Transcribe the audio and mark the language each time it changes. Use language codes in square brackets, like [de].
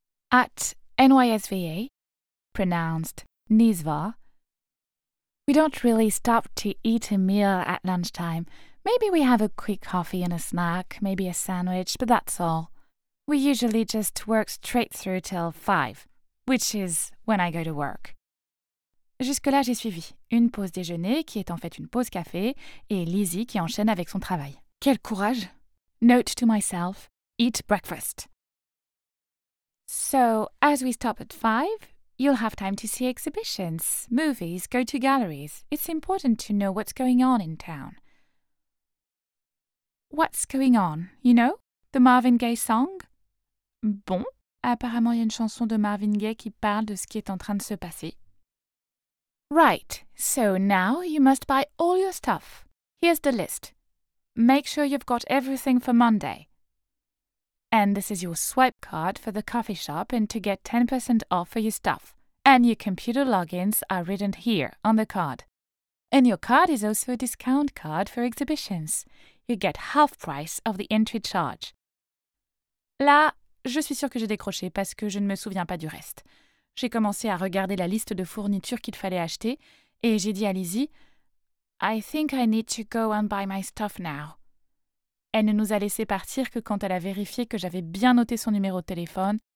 [en] At NYSVA, pronounced Nisva, we don't really stop to eat a meal at lunchtime. Maybe we have a quick coffee and a snack, maybe a sandwich, but that's all. We usually just work straight through till 5, which is when I go to work. [fr] Jusque-là, j'ai suivi. Une pause déjeuner, qui est en fait une pause café, et Lizzie qui enchaîne avec son travail. Quel courage! [en] Note to myself, eat breakfast. So, as we stop at 5, you'll have time to see exhibitions, movies, go to galleries. It's important to know what's going on in town. What's going on, you know? The Marvin Gaye song? [fr] Bon, apparemment il y a une chanson de Marvin Gaye qui parle de ce qui est en train de se passer. [en] Right, so now you must buy all your stuff. Here's the list. Make sure you've got everything for Monday. And this is your swipe card for the coffee shop and to get 10% off for your stuff. And your computer logins are written here on the card. And your card is also a discount card for exhibitions. You get half price of the entry charge. [fr] Là, je suis sûre que j'ai décroché parce que je ne me souviens pas du reste. J'ai commencé à regarder la liste de fournitures qu'il fallait acheter et j'ai dit à Lizzie, [en] « I think I need to go and buy my stuff now. » [fr] Elle ne nous a laissé partir que quand elle a vérifié que j'avais bien noté son numéro de téléphone,